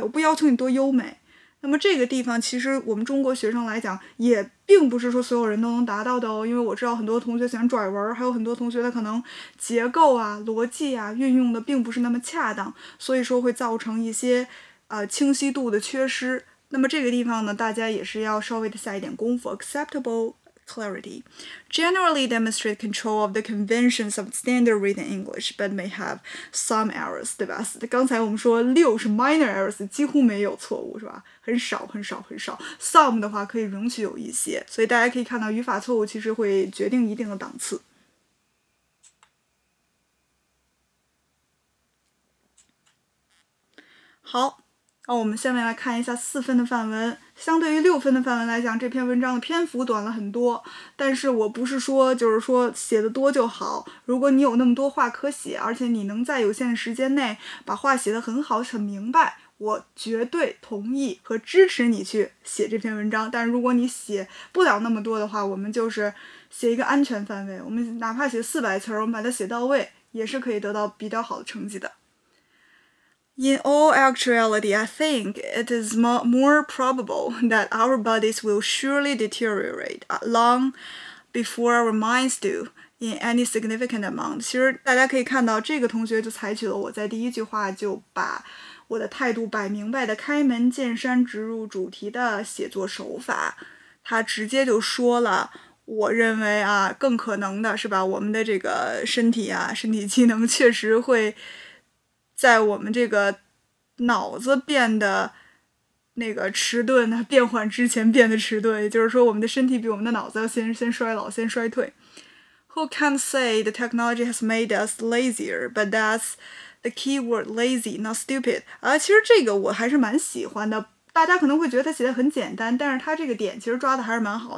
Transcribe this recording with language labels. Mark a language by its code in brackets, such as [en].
[zh] 我不要求你多优美。那么这个地方其实我们中国学生来讲，也并不是说所有人都能达到的哦。因为我知道很多同学喜欢拽文，还有很多同学他可能结构啊、逻辑啊运用的并不是那么恰当，所以说会造成一些清晰度的缺失。那么这个地方呢，大家也是要稍微的下一点功夫。 [en] acceptable clarity generally demonstrate control of the conventions of standard written English, but may have some errors， [zh] 对吧？刚才我们说六是 minor errors，几乎没有错误，是吧？很少很少很少。 some 的话可以允许有一些，所以大家可以看到语法错误其实会决定一定的档次。好。那我们下面来看一下四分的范文。相对于六分的范文来讲，这篇文章的篇幅短了很多。但是我不是说就是说写得多就好。如果你有那么多话可写，而且你能在有限的时间内把话写得很好、很明白，我绝对同意和支持你去写这篇文章。但如果你写不了那么多的话，我们就是写一个安全范围。我们哪怕写400词，我们把它写到位，也是可以得到比较好的成绩的。 [en] In all actuality, I think it is more probable that our bodies will surely deteriorate long before our minds do in any significant amount。 [zh] 其实大家可以看到，这个同学就采取了我在第一句话就把我的态度摆明白的开门见山、直入主题的写作手法。他直接就说了，我认为啊，更可能的是吧，我们的这个身体啊，身体机能确实会在我们这个脑子变得那个迟钝，它变缓之前变得迟钝，也就是说，我们的身体比我们的脑子要先衰老，先衰退。 [en] Who can say the technology has made us lazier? But that's the key word, lazy, not stupid. [zh] 其实这个我还是蛮喜欢的。大家可能会觉得他写的很简单，但是他这个点其实抓的还是蛮好。